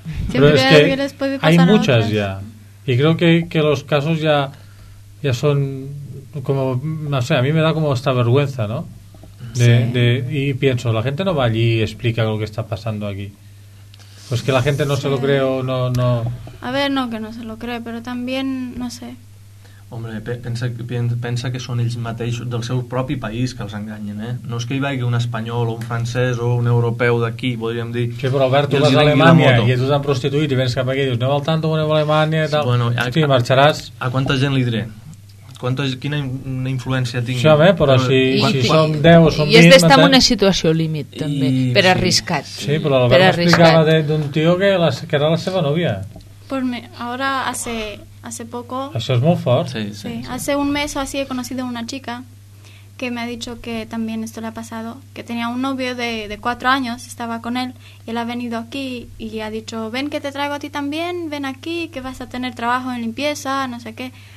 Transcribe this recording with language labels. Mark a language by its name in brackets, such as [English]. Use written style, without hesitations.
[Spanish] Siempre pero es que les puede pasar, hay muchas ya. Y creo que los casos ya son como, no sé, a mí me da como esta vergüenza, ¿no? Y pienso, la gente no va allí y explica lo que está pasando aquí. Pues que la gente no se lo cree o no... A ver, no, que no se lo cree, pero también, no sé. [Catalan] Hombre, pensa que són ells mateixos del seu propi país que els enganyen, eh? No és que hi vagi un espanyol, un francès o un europeu d'aquí, podríem dir... Sí, però Albert, tu vas a Alemanya i tu t'han prostituït i vens cap aquí i dius, no val tant, tu anem a Alemanya i tal. Bueno, marxaràs... A quanta gent li diré? quina influència tinc? Això, però si, si som 10 o som 20... I és d'estar en una situació límit, també, per arriscat. Sí, però l'Albert m'explicava d'un tio que era la seva nòvia. [Spanish] Pues me, ahora hace poco... [Catalan] Això és molt fort. Sí, sí, sí. [Spanish] Hace un mes o así he conocido una chica que me ha dicho que también esto le ha pasado, que tenía un novio de 4 años, estaba con él, y él ha venido aquí y ha dicho, ven que te traigo a ti también, ven aquí, que vas a tener trabajo en limpieza, no sé qué...